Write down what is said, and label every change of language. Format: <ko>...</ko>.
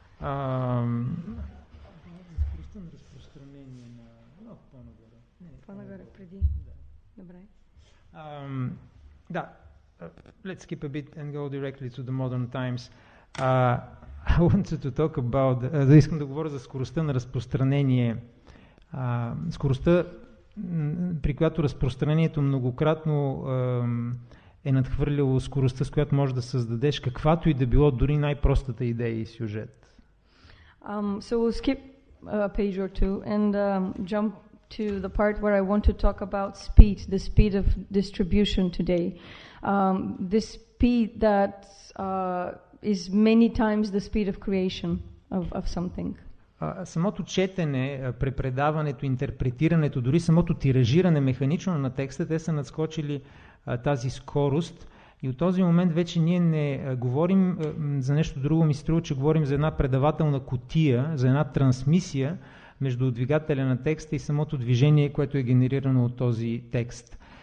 <en>Let's skip a bit and go directly to the modern times. I wanted to talk about</en> <bg>да искам да говоря за скоростта на разпространение. Скоростта, при която разпространението многократно е надхвърляло скоростта, с която може да създадеш каквато и да било дори най-простата идея и сюжет.</bg> <en>So we'll skip a page or two and jump to the part where I want to talk about speed, the speed of distribution today. The speed that is many times the speed of creation of something.</en> <bg>Самото четене, препредаването, интерпретирането, дори самото тиражиране механично на текста, те са надскочили тази скорост. И от този момент вече ние не говорим за нещо друго, ми се струва, че говорим за една предавателна кутия, за една трансмисия между двигателя на текста и самото движение, което е генерирано от този текст.</bg>